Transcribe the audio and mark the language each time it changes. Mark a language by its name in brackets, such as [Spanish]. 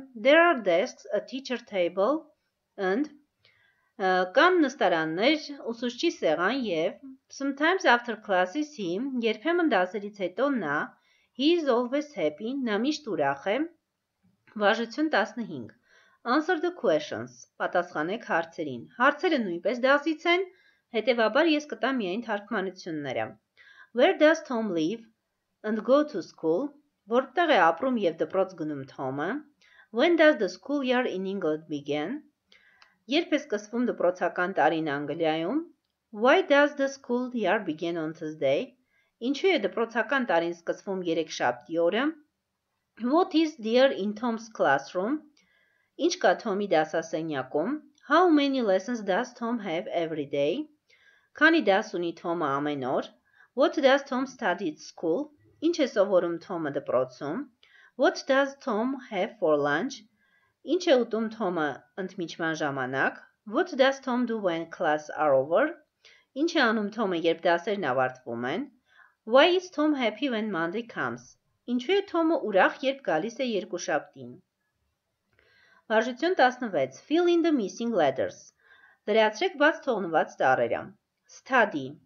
[English] There are desks, a teacher table and [Armenian] կան նստարաններ, ուսուցչի սեղան եւ [English] sometimes after classes him, [Armenian] երբեմն դասերից հետո նա, [English] he is always happy, [Armenian] նա միշտ ուրախ է. Բաժություն 15. [English] Answer the questions. [Armenian] Պատասխանեք հարցերին. Հարցերը նույնպես դասից են, հետեւաբար ես կտամ միայն թարգմանությունները. [English] Where does Tom live and go to school? [Armenian] Որտեղ է ապրում եւ դպրոց գնում Թոմը? [English] When does the school year in England begin? [Armenian] Երբ է սկսվում դպրոցական տարին Անգլիայում? [English] Why does the school year begin on Thursday? [Armenian] Ինչու է դպրոցական տարին սկսվում երեքշաբթի օրը? [English] What is there in Tom's classroom? [Armenian] Ինչ կա Թոմի դասասենյակում? [English] How many lessons does Tom have every day? [Armenian] Քանի դաս ունի Թոմը ամեն օր? [English] What does Tom study at school? [Armenian] Ինչ է սովորում Թոմը դպրոցում? [English] What does Tom have for lunch? [Armenian] Ինչ է ուտում Թոմը ընդմիջման ժամանակ? [English] What does Tom do when class are over? [Armenian] Ինչ է անում Թոմը, երբ դասերն ավարտվում են? [English] Why is Tom happy when Monday comes? [Armenian] Ինչու է Թոմը ուրախ, երբ գալիս է երկուշաբթին? Բաժություն 16. [English] Fill in the missing letters. [Armenian] Դրեացրեք բաց թողնված տառերը. [English] Study.